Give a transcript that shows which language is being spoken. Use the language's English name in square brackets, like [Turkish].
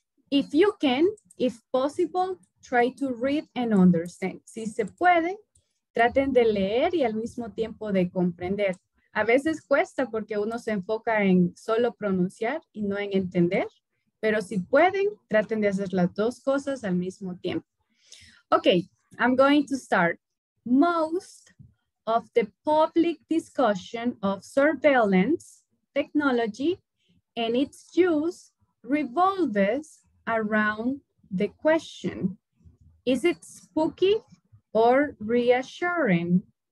[English] If you can, if possible, try to read and understand. [Spanish] Si se puede, traten de leer y al mismo tiempo de comprender. A veces cuesta porque uno se enfoca en solo pronunciar y no en entender. Pero si pueden, traten de hacer las dos cosas al mismo tiempo. [English] Okay, I'm going to start. Most of the public discussion of surveillance technology and its use revolves around the question, is it spooky or reassuring?